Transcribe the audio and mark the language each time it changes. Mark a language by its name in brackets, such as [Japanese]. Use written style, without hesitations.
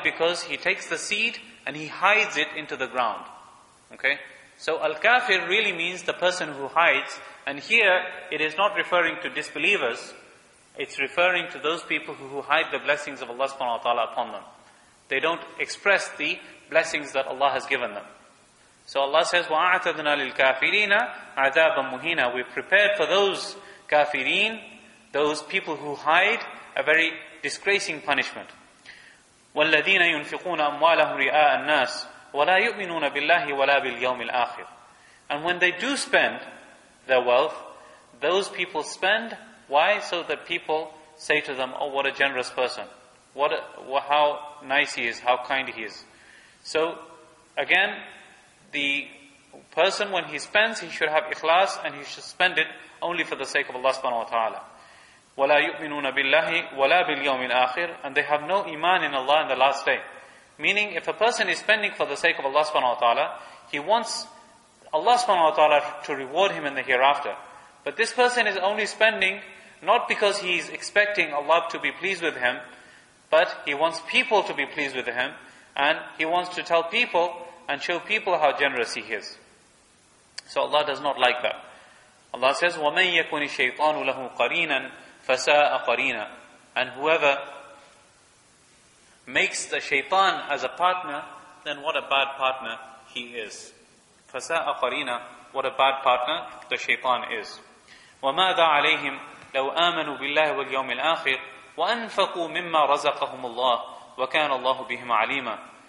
[English] Because he takes the seed and he hides it into the ground. Okay? So al-kafir really means the person who hides. And here, it is not referring to disbelievers. It's referring to those people who hide the blessings of Allah subhanahu wa ta'ala upon them. They don't express the blessings that Allah has given them. So Allah says, [Arabic] وَأَعْتَدْنَا لِلْكَافِرِينَ عَذَابًا مُهِينًا. [English] We prepared for those kafirin, those people who hide, a very disgracing punishment. [Arabic] وَالَّذِينَ يُنْفِقُونَ أَمْوَالَهُمْ رِئَاءَ النَّاسِ وَلَا يُؤْمِنُونَ بِاللَّهِ وَلَا بِالْيَوْمِ الْآخِرِ. [English] And when they do spend their wealth, those people spend, why? So that people say to them, oh, what a generous person. How nice he is, how kind he is. So, again, the person when he spends, he should have ikhlas and he should spend it only for the sake of Allah subhanahu wa ta'ala. [Arabic] وَلَا يُؤْمِنُونَ بِاللَّهِ وَلَا بِالْيَوْمِ الْآخِرِ. [English] And they have no iman in Allah in the last day. Meaning, if a person is spending for the sake of Allah subhanahu wa ta'ala, he wants Allah subhanahu wa ta'ala to reward him in the hereafter. But this person is only spending, not because he is expecting Allah to be pleased with him, but he wants people to be pleased with him, and he wants to tell people and show people how generous he is. So Allah does not like that. Allah says, [Arabic] وَمَنْ يَكُنِ الشَّيْطَانُ لَهُ قَرِينًا فَسَاءَ قَرِينًا. [English] And whoever makes the shaytan as a partner, then what a bad partner he is. [Arabic] فَسَاءَ قَرِينًا. [English] What a bad partner the shaytan is. [Arabic] وَمَاذَا عَلَيْهِمْ لَوْ آمَنُوا بِاللَّهِ وَالْيَوْمِ الْآخِرِ وَأَنْفَقُوا مِمَّا رَزَقَهُمُ اللَّهِ وَكَانَ اللَّهُ بِهِمْ عَلِيمًا.